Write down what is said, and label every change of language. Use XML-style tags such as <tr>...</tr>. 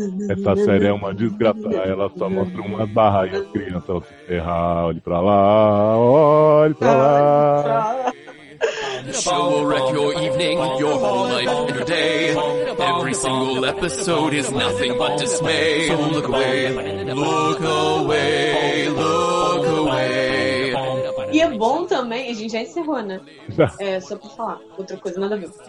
<pt>Essa série é uma desgraça. Ela só mostra uma barra e as crianças se ferram. Olhe pra lá, olhe pra lá.</pt> <en>The show will wreck your evening, your whole life, and your day. Every single episode is nothing but dismay. So look away, look away, look away.</en> <pt>E é bom também, a gente já encerrou, né? É, só pra falar, outra coisa, nada a ver.</pt>